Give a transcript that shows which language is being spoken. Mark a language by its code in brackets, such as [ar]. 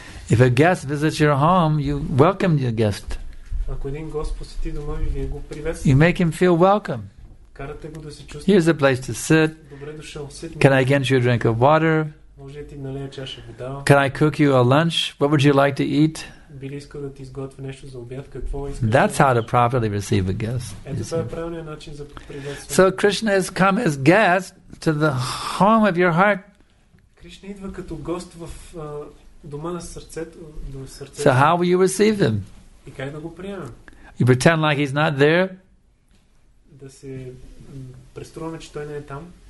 [en] If a guest visits your home, you welcome your guest. [bg] Ако един гост посети дома ви, вие го приветствате. [en] You make him feel welcome. [bg] Карате го да се чувства. [en] Here's a place to sit. [bg] Добре дошъл. [en] Can I get you a drink of water? [bg] Може ти налея чаша вода. [en] Can I cook you a lunch? What would you like to eat? [bg] Би ли искал да ти изготвя нещо за обяд? Какво искаш? [en] That's how to properly receive a guest. [bg] Ето това е правилният начин за приветствие. [en] So Krishna has come as guest to the home of your heart. [bg] Кришна идва като гост в дома на сърцето, до сърцето. [en] So how will you receive him? [bg] И как да го приемем? [en] You pretend like he's not there. [bg] Да се преструваме, че той не е там.